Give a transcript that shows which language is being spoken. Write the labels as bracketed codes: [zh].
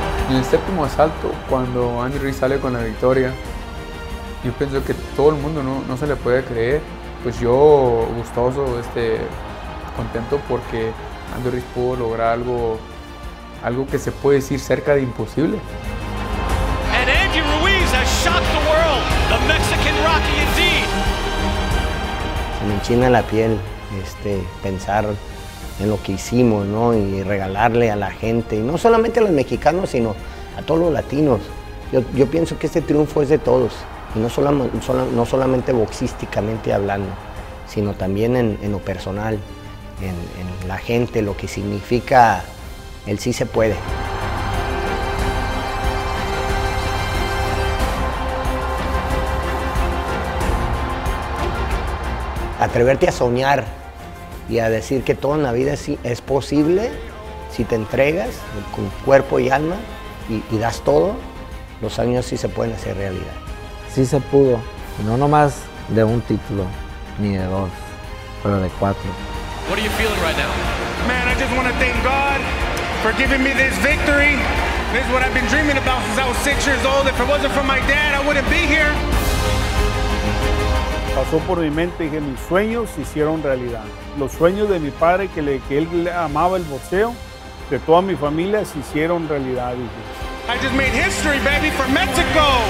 [es] En el séptimo asalto, cuando Andy Ruiz sale con la victoria, yo pienso que todo el mundo no se le puede creer. Pues yo gustoso, contento porque Andy Ruiz pudo lograr algo que se puede decir cerca de imposible. [en] And Andy Ruiz has shocked the world, the Mexican Rocky indeed. [es] Se me enchina la piel pensar en lo que hicimos, ¿no? Y regalarle a la gente, y no solamente a los mexicanos, sino a todos los latinos. Yo pienso que este triunfo es de todos, y no solamente boxísticamente hablando, sino también en lo personal, en la gente, lo que significa el sí se puede. Atreverte a soñar y a decir que todo en la vida es posible si te entregas con cuerpo y alma y das todo, los sueños sí se pueden hacer realidad. Sí se pudo, y no nomás de un título, ni de dos, pero de cuatro. [en] What are you feeling right now? Man, I just want to thank God for giving me this victory. This is what I've been dreaming about since I was 6 years old. If it wasn't for my dad, I wouldn't be here. [es] Pasó por mi mente y dije, mis sueños se hicieron realidad. Los sueños de mi padre, que él amaba el boxeo, de toda mi familia, se hicieron realidad, dije. [en] I just made history, baby, for Mexico.